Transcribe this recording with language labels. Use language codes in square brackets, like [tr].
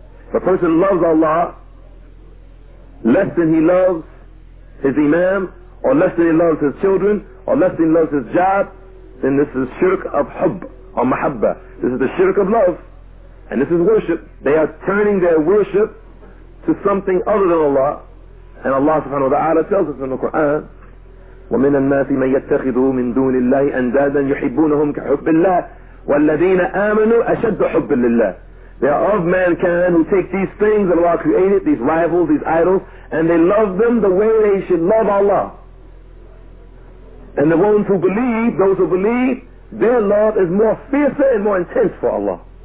[en] If a person loves Allah less than he loves his Imam, or less than he loves his children, or less than he loves his job, then this is shirk of hubb or mahabba. This is the shirk of love. And this is worship. They are turning their worship to something other than Allah. And Allah subhanahu wa ta'ala tells us in the Quran, [ar] وَمِنَ النَّاسِ مَنْ يَتَّخِذُوا مِنْ دُونِ اللَّهِ أَنْدَادًا يُحِبُّونَهُمْ كَحُبِّ اللَّهِ وَالَّذِينَ آمَنُوا أَشَدُّ حُبِّ لِلَّهِ. [en] They are of mankind who take these things that Allah created, these rivals, these idols, and they love them the way they should love Allah. And the ones who believe, those who believe, their love is more fiercer and more intense for Allah.